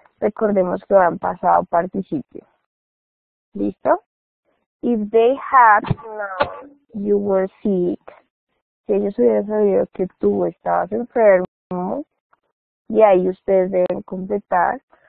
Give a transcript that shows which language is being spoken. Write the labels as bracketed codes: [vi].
[es] Recordemos que va en pasado participio. ¿Listo? [en] If they had known you were sick, [es] si ellos hubieran sabido que tú estabas enfermo. Y ahí ustedes deben completar.